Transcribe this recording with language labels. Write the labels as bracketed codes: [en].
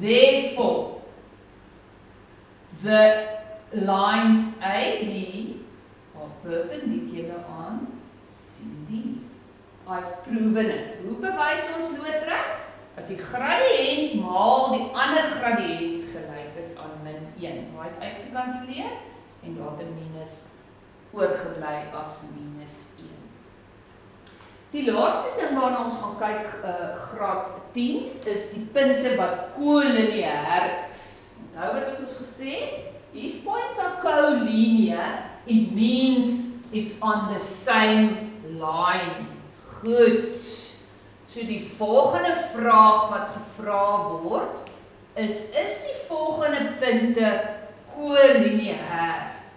[en] Therefore, the lines AB are perpendicular on CD. I've proven it. [af] Hoe bewys ons loodreg? As die gradiënt maal die ander gradiënt gelyk is aan min 1. Raai dit uitgekanselleer en daar het 'n minus oorgebly as minus 1. Die laaste ding waarna ons gaan kyk graad 10 is die punte wat kolineêr is. Onthou wat het ons gesê? [en] If points are collinear, it means it's on the same line. [af] Goed. So die volgende vraag wat gevra word is die volgende punte kolineêr?